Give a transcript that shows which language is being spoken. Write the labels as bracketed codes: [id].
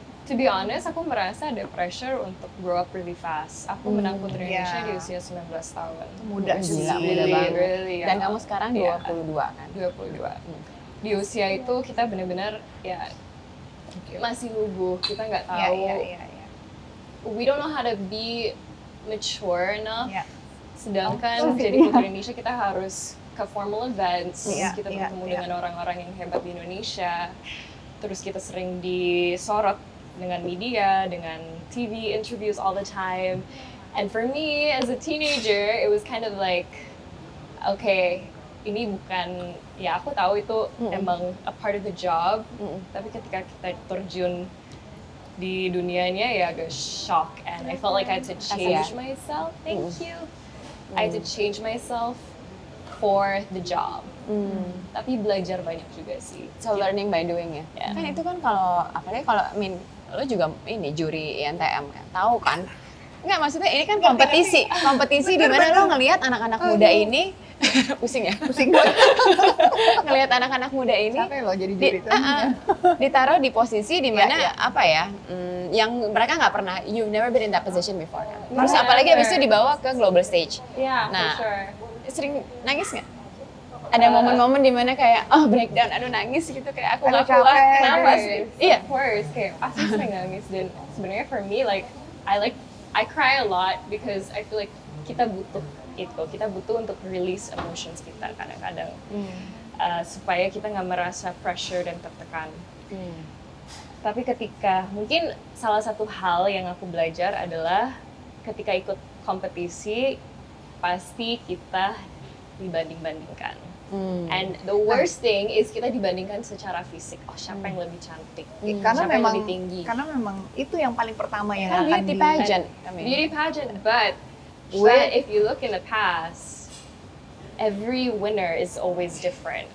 [en] To be honest, [id] aku merasa ada [en] pressure [id] untuk [en] grow up really fast. [id] Aku menang Putri Indonesia di usia 19 tahun. Muda sih. Gila, muda banget. [en] Really, [id] dan kamu sekarang 22 kan? 22. Di usia itu kita benar-benar ya masih lugu. Kita nggak tahu. [en] We don't know how to be mature enough. [id] Sedangkan jadi Putri Indonesia kita harus ke formal events. Kita bertemu dengan orang-orang yang hebat di Indonesia. Terus kita sering disorot dengan media, dengan [en] TV interviews all the time. And for me as a teenager, it was kind of like okay, [id] ini bukan ya aku tahu itu emang [en] a part of the job. [id] Tapi ketika kita terjun di dunianya ya agak [en] shock and I felt like I had to change myself. I had to change myself for the job. [id] Tapi belajar banyak juga sih. [en] So learning by doing [id] ya. Kan itu kan kalau apalagi kalau [en] I mean [id] lo juga ini juri INTM kan, tahu kan? Enggak, maksudnya ini kan kompetisi. Kompetisi di mana lo ngelihat anak-anak muda ini pusing ya? Pusing banget. Ngelihat anak-anak muda ini capek lo jadi juri itu. Ditaruh di posisi di mana apa ya? Yang mereka enggak pernah, [en] you've never been in that position before. [id] Kan? Terus apalagi habis itu dibawa ke global stage. [en] Nah, for sure. [id] Sering nangis enggak? Ada momen-momen di mana kayak oh breakdown, aduh nangis gitu kayak aku nggak kuat, kenapa sih? Iya, [en] of course, [id] kayak pasti sering nangis dan sebenarnya [en] for me I cry a lot because I feel like [id] kita butuh itu, kita butuh untuk [en] release emotions [id] kita kadang-kadang supaya kita nggak merasa pressure dan tertekan. Tapi ketika mungkin salah satu hal yang aku belajar adalah ketika ikut kompetisi pasti kita dibanding-bandingkan. [en] And the worst thing is [id] kita dibandingkan secara fisik. Oh, siapa yang lebih cantik? Karena siapa memang yang lebih tinggi? Karena memang itu yang paling pertama yang akan beauty pageant. [en] Beauty pageant, but if you look in the past, every winner is always different.